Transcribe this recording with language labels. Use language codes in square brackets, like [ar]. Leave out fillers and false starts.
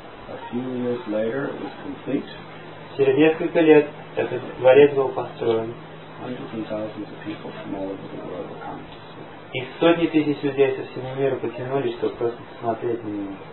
[en] A few years later it was complete. [ru] Через несколько лет этот дворец был построен. [en] Hundreds and thousands of people from all over the world were coming. [ru] И сотни тысяч людей со всего мира потянулись, чтобы просто посмотреть на него.